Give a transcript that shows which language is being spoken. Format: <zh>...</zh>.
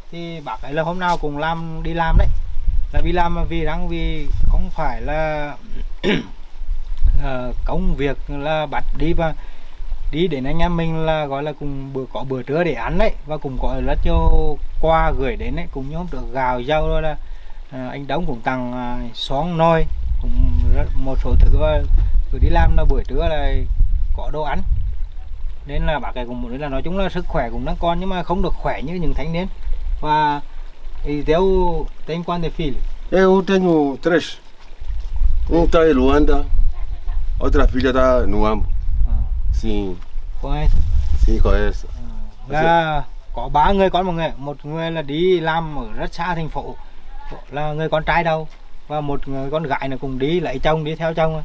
<vi>Thì bác ấy là hôm nào cùng làm đi làm đấy. Là vì làm vì rằng vì không phải là công việc là bắt đi và đi đến anh em mình là gọi là cùng bữa có bữa trưa để ăn đấy, và cũng có rất nhiều quà gửi đến đấy, cũng như hôm trước gạo rau rồi là anh Đống cũng tặng xoong nồi cũng rất, một số thứ và cứ đi làm là buổi trưa là có đồ ăn, nên là bác ấy cũng muốn là nói chung là sức khỏe cũng đang còn nhưng mà không được khỏe như những thanh niên.</vi> <pt>Và e teu tem quantos filhos? Eu tenho três. Um está em Luanda, outra filha está no Ambo. Sim. Conhece? Sim, conheço.</pt> <vi>Là có ba người con một người, một người là đi làm ở rất xa thành phố, là người con trai đâu, và một người con gái là cùng đi lấy chồng đi theo chồng.</vi>